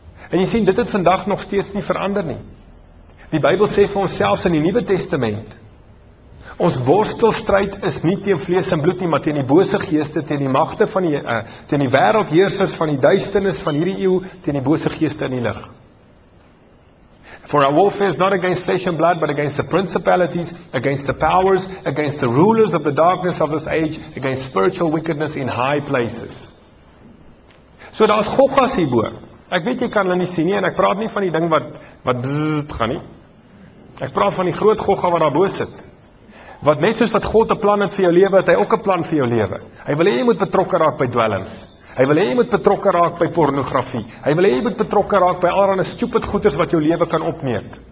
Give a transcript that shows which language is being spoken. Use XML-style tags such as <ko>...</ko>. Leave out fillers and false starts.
<af>En jy sien, dit het vandag nog steeds nie verander nie. Die Bybel sê vir ons selfs in die Nuwe Testament, ons worstelstryd is nie teen vlees en bloed nie, maar teen die bose geeste, teen die magte van die, teen die wêreldheersers van die duisternis van hierdie eeu, teen die bose geeste in die lig.</af> <en>For our warfare is not against flesh and blood, but against the principalities, against the powers, against the rulers of the darkness of this age, against spiritual wickedness in high places.</en> <af>So daar is goggas hierbo. Ek weet jy kan hulle nie sien nie, en ek praat nie van die ding wat bzzz gaan nie. Ek praat van die groot gogga wat daar bo sit. wat net soos wat God 'n plan het vir jou lewe, het hy ook 'n plan vir jou lewe. Hy wil hê jy moet betrokke raak by dwelms. Hy wil hê jy moet betrokke raak by pornografie. Hy wil hê jy moet betrokke raak by allerlei stupid goeders wat jou lewe kan opneem.</af>